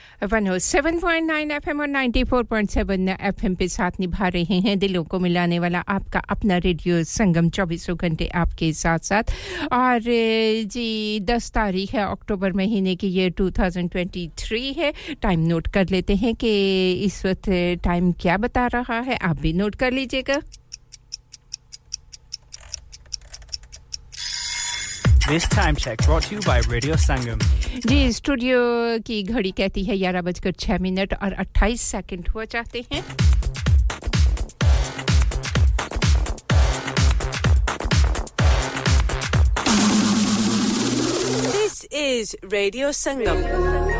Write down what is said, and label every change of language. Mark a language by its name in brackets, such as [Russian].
[Hindi] 107.9 FM और 94.7 FM पे साथ निभा रहे हैं दिलों को मिलाने वाला आपका अपना रेडियो संगम 24 घंटे आपके साथ साथ और जी 10 तारीख है अक्टूबर महीने की ये 2023 है टाइम नोट कर लेते हैं कि इस वक्त टाइम क्या बता रहा है आप भी नोट कर लीजिएगा [English] This time check brought to you by Radio Sangam. [Hindi] Ji studio की घड़ी कहती है 11:06 और 28 सेकंड हुआ चाहते हैं [English] This is Radio Sangam.